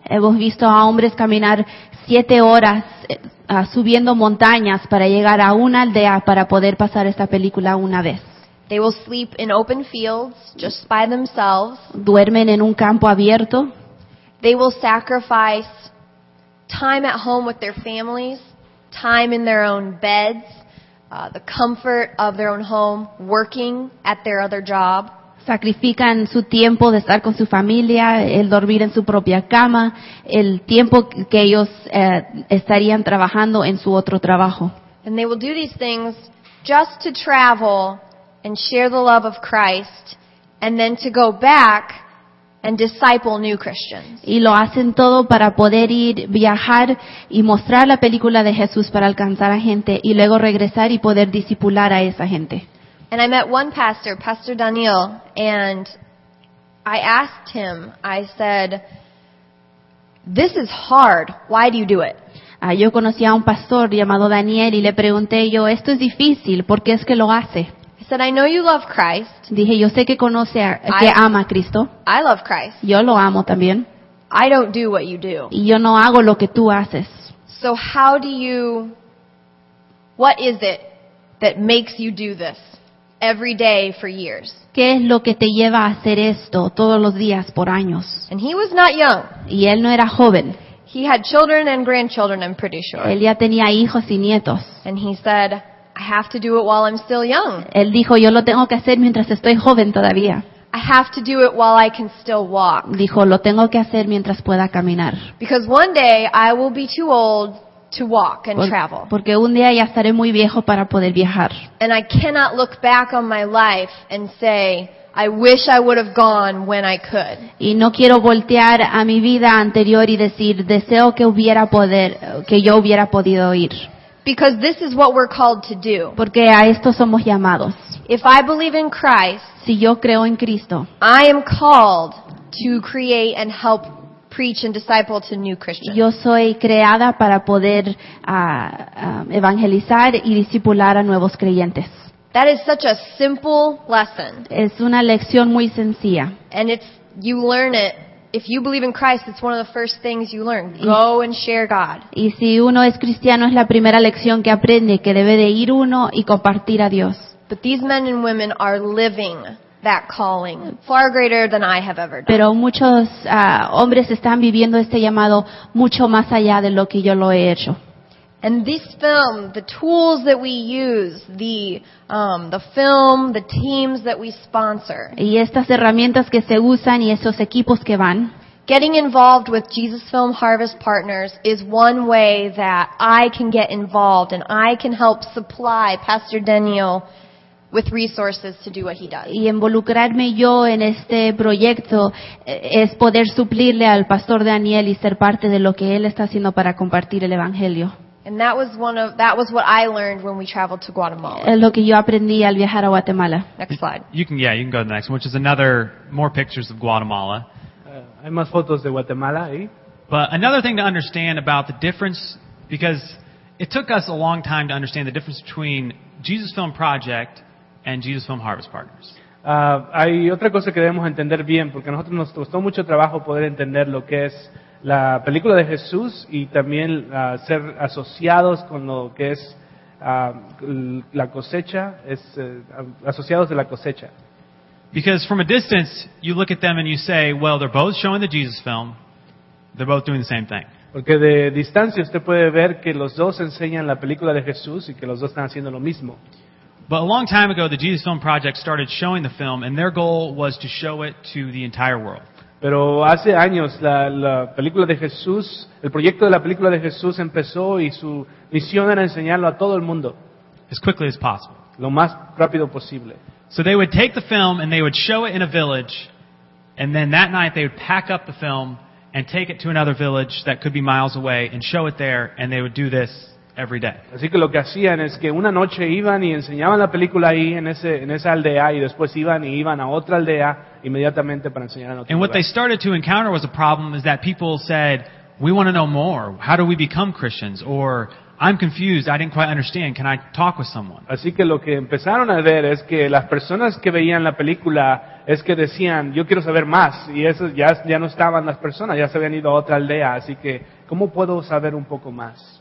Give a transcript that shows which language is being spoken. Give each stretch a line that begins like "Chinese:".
Spanish: Hemos visto a hombres caminar 7 horas subiendo montañas para llegar a una aldea para poder pasar esta película una vez.
English: They will sleep in open fields just by themselves.
Spanish: Duermen en un campo abierto.
English: They will sacrifice time at home with their families, time in their own beds, the comfort of their own home, working at their other job.
Spanish: Sacrifican su tiempo de estar con su familia, el dormir en su propia cama, el tiempo que ellos estarían trabajando en su otro trabajo.
English: And they will do these things just to travel and share the love of Christ and then to go back and disciple new Christians.
Spanish: Y lo hacen todo para poder ir viajar y mostrar la película de Jesús para alcanzar a gente y luego regresar y poder discipular a esa gente.
English: And I met one pastor, Pastor Daniel, and I asked him, I said, "This is hard. Why do you do it?"
Spanish: Yo conocí a un pastor llamado Daniel y le pregunté yo, "Esto es difícil, ¿por qué es que lo hace?"
English: I said, "I know you love Christ."
Spanish: Dije, "Yo sé que conoce a, que ama a Cristo."
English: "I love Christ."
Spanish: Yo lo amo también.
English: "I don't do what you do."
Spanish: Y yo no hago lo que tú haces.
English: "So how do you, what is it that makes you do this every day for years?"
Spanish: ¿Qué es lo que te lleva a hacer esto todos los días por años?
English: And he was not young.
Spanish: Y él no era joven.
English: He had children and grandchildren, I'm pretty sure.
Spanish: Él ya tenía hijos y nietos.
English: And he said, "I have to do it while I'm still young."
Spanish: Él dijo, "Yo lo tengo que hacer mientras estoy joven todavía."
English: "I have to do it while I can still walk."
Spanish: Dijo, "Lo tengo que hacer mientras pueda caminar."
English: "Because one day I will be too old to walk and travel."
Spanish: Porque un día ya estaré muy viejo para poder viajar.
English: "And I cannot look back on my life and say, I wish I would have gone when I could."
Spanish: Y no quiero voltear a mi vida anterior y decir, deseo que hubiera poder, que yo hubiera podido ir.
English: "Because this is what we're called to do."
Spanish: Porque a esto somos llamados.
English: "If I believe in Christ,"
Spanish: si yo creo en Cristo,
English: "I am called to create and help preach and disciple to new Christians."
Spanish: Yo soy creada para poder evangelizar y discipular a nuevos creyentes.
English: That is such a simple lesson.
Spanish: Es una lección muy sencilla.
English: And it's, you learn it. If you believe in Christ, it's one of the first things you learn. Go and share God.
Spanish: Y si uno es cristiano, es la primera lección que aprende, que debe de ir uno y compartir a Dios.
English: But these men and women are living that calling far greater than I have ever done.
Spanish: Pero muchos hombres están viviendo este llamado mucho más allá de lo que yo lo he hecho.
English: And this film, the tools that we use, the film, the teams that we sponsor.
Spanish: Y estas herramientas que se usan y esos equipos que van.
English: Getting involved with Jesus Film Harvest Partners is one way that I can get involved and I can help supply Pastor Daniel with resources to do what he does.
Spanish: Y involucrarme yo en este proyecto es poder suplirle al Pastor Daniel y ser parte de lo que él está haciendo para compartir el Evangelio.
English: And that was one of that was what I learned when we traveled to Guatemala.
Spanish: Es lo que yo aprendí al viajar a Guatemala.
English: Next slide. You can go to the next one, which is another more pictures of Guatemala.
Spanish: Hay más fotos de Guatemala ahí.
English: But another thing to understand about the difference, because it took us a long time to understand the difference between Jesus Film Project and Jesus Film Harvest Partners.
Spanish: Hay otra cosa que debemos entender bien, porque a nosotros nos costó mucho trabajo poder entender lo que es la película de Jesús y también ser asociados con lo que es la cosecha, es asociados de la cosecha.
English: Because from a distance, you look at them and you say, well, they're both showing the Jesus film, they're both doing the same thing.
Spanish: Porque de distancia usted puede ver que los dos enseñan la película de Jesús y que los dos están haciendo lo mismo.
English: But a long time ago, the Jesus Film Project started showing the film, and their goal was to show it to the entire world.
Spanish: Pero hace años la película de Jesús, el proyecto de la película de Jesús empezó y su misión era enseñarlo a todo el mundo.
English: As quickly as possible.
Spanish: Lo más rápido posible.
English: So they would take the film and they would show it in a village, and then that night they would pack up the film and take it to another village that could be miles away and show it there, and they would do this every day.
Spanish: Así que lo que hacían es que una noche iban y enseñaban la película ahí en esa aldea y después iban y iban a otra aldea inmediatamente para enseñar a otra.
English: And what they started to encounter was a problem is that people said, "We want to know more. How do we become Christians?" Or, "I'm confused. I didn't quite understand. Can I talk with someone?"
Spanish: Así que lo que empezaron a ver es que las personas que veían la película es que decían, "Yo quiero saber más." Y eso ya no estaban las personas, ya se habían ido a otra aldea, así que ¿cómo puedo saber un poco más?